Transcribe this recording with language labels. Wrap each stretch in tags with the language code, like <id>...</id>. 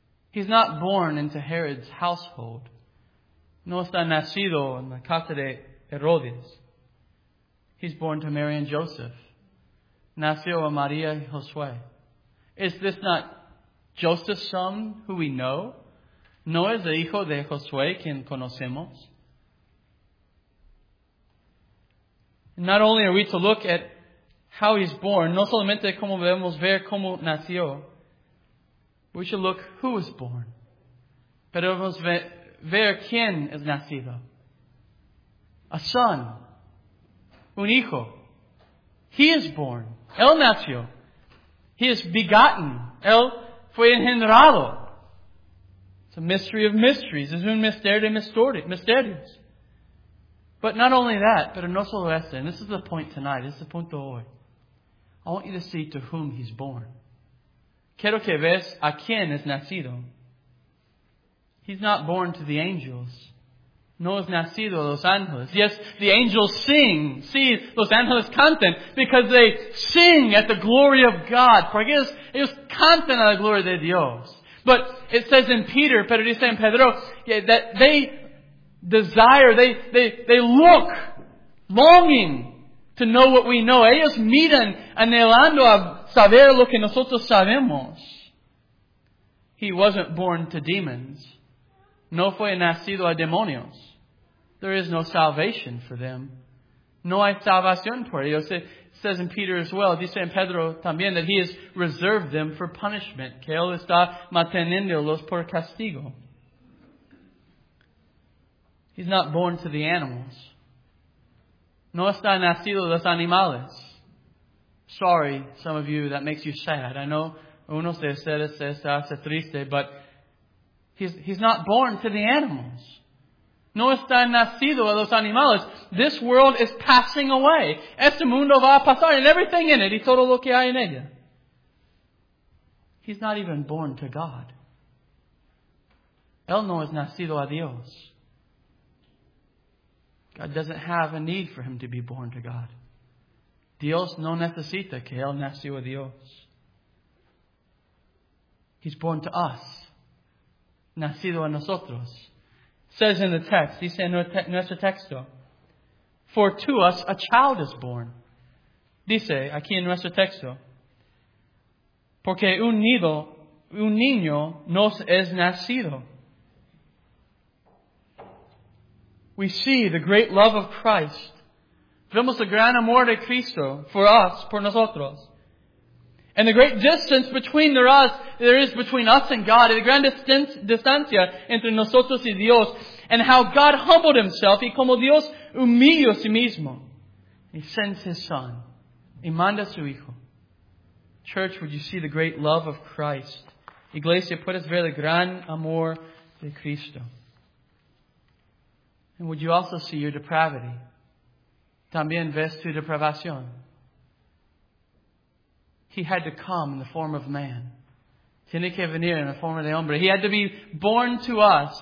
<en>He's not born into Herod's household.</en> <es>No está nacido en la casa de Herodes.</es> <en>He's born to Mary and Joseph.</en> <es>Nació a María y Josué.</es> <en>Is this not Joseph's son who we know?</en> <es>No es el hijo de Josué quien conocemos.</es> <en>Not only are we to look at how he's born,</en> <es>no solamente como debemos ver cómo nació,</es> <en>we should look who was born.</en> <es>Pero debemos ver quién es nacido.</es> <en>A son.</en> <es>Un hijo.</es> <en>He is born.</en> <es>Él nació.</es> <en>He is begotten.</en> <es>Él fue engendrado.</es> <en>It's a mystery of mysteries.</en> <es>Es un misterio de misterios.</es> <en>But not only that,</en> <es>pero no solo eso.</es> <en>And this is the point tonight. This is the punto hoy. I want you to see to whom he's born.</en> <es>Quiero que veas a quién es nacido.</es> <en>He's not born to the angels.</en> <es>No es nacido a los ángeles.</es> <en>Yes, the angels sing. See,</en> <es>los ángeles cantan</es> <en>because they sing at the glory of God.</en> <es>Porque ellos cantan a la gloria de Dios.</es> <en>But it says in Peter,</en> <es>pero dice en Pedro,</es> <en>yeah, that they desire, they look, longing, to know what we know.</en> <es>Ellos miran anhelando a saber lo que nosotros sabemos.</es> <en>He wasn't born to demons.</en> <es>No fue nacido a demonios.</es> <en>There is no salvation for them.</en> <es>No hay salvación por ellos.</es> <en>says in Peter as well,</en> <es>dice en Pedro también,</es> <en>that he has reserved them for punishment,</en> <es>que él está manteniéndolos por castigo.</es> <en>He's not born to the animals.</en> <es>No está nacido de los animales.</es> <en>Sorry, some of you, that makes you sad. I know</en> <es>unos de ustedes se hace triste,</es> <en>but he's not born to the animals.</en> <es>No está nacido de los animales.</es> <en>This world is passing away.</en> <es>Este mundo va a pasar,</es> <en>and everything in it,</en> <es>y todo lo que hay en ella.</es> <en>He's not even born to God.</en> <es>Él no es nacido a Dios.</es> <en>God doesn't have a need for him to be born to God.</en> <es>Dios no necesita que él nació a Dios.</es> <en>He's born to us.</en> <es>Nacido a nosotros.</es> <en>Says in the text,</en> <es>dice en nuestro texto,</es> <en>for to us a child is born.</en> <es>Dice aquí en nuestro texto, porque un niño nos es nacido.</es> <en>We see the great love of Christ.</en> <es>Vemos el gran amor de Cristo</es> <en>for us,</en> <es>por nosotros.</es> <en>And the great distance between there is between us and God, and the grand</en> <es>distancia entre nosotros y Dios,</es> <en>and how God humbled himself,</en> <es>y como Dios humilló sí mismo.</es> <en>He sends his Son,</en> <es>y manda su Hijo.</es> <en>Church, would you see the great love of Christ?</en> <es>Iglesia, puedes ver el gran amor de Cristo.</es> <en>And would you also see your depravity?</en> <es>También ves tu depravación.</es> <en>He had to come in the form of man.</en> <es>Tiene que venir en la forma de hombre.</es> <en>He had to be born to us.</en>